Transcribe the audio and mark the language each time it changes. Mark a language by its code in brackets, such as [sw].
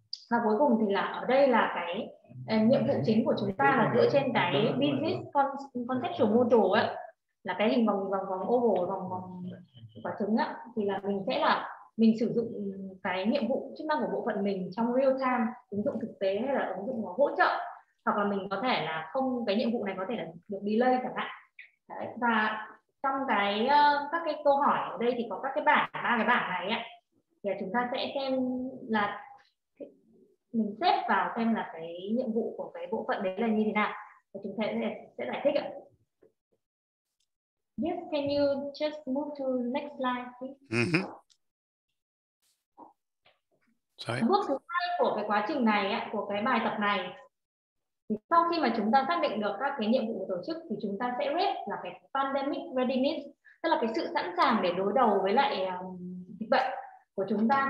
[vi] Và cuối cùng thì là ở đây là cái nhiệm vụ chính của chúng ta là dựa trên cái business conceptual model ấy, là cái hình vòng oval, vòng quả trứng á, thì là mình sẽ là mình sử dụng cái nhiệm vụ chức năng của bộ phận mình trong real time, ứng dụng thực tế hay là ứng dụng hỗ trợ, hoặc là mình có thể là không, cái nhiệm vụ này có thể là được delay chẳng hạn. Đấy. Và trong cái các cái câu hỏi ở đây thì có các cái bảng, ba cái bảng này á, thì chúng ta sẽ xem là mình xếp vào xem là cái nhiệm vụ của cái bộ phận đấy là như thế nào, và chúng ta sẽ giải thích ạ. [en] Yes, can you just move to next slide, please? Sorry. [vi] Bước thứ hai của cái quá trình này, của cái bài tập này, thì sau khi mà chúng ta xác định được các cái nhiệm vụ của tổ chức thì chúng ta sẽ rate là cái pandemic readiness, tức là cái sự sẵn sàng để đối đầu với lại dịch bệnh của chúng ta.